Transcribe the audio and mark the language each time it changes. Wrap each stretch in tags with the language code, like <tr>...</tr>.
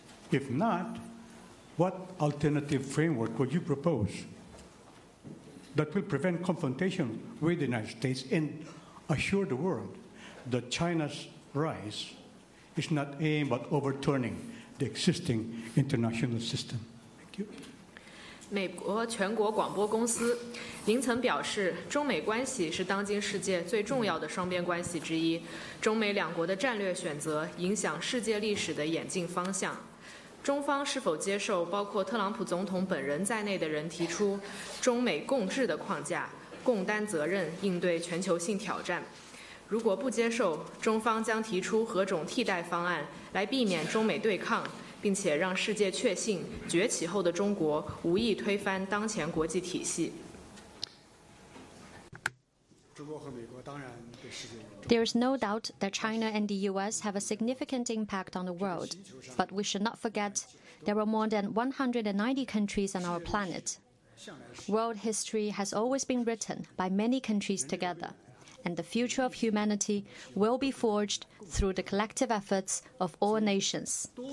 <en>If not, what alternative framework would you propose that will prevent confrontation with the United States and assure the world that China's rise is not aimed at overturning the existing international system. Thank you.</en> <zh>美国全国广播公司凌晨表示，中美关系是当今世界最重要的双边关系之一，中美两国的战略选择影响世界历史的演进方向。中方是否接受包括特朗普总统本人在内的人提出中美共治的框架，共担责任应对全球性挑战？如果不接受，中方将提出何种替代方案来避免中美对抗，并且让世界确信崛起后的中国无意推翻当前国际体系？中国和美国当然对世界。</zh> <en>There is no doubt that China and the U.S. have a significant impact on the world, but we should not forget there are more than 190 countries on our planet. World history has always been written by many countries together. And the future of humanity will be forged through the collective efforts of all nations.</en>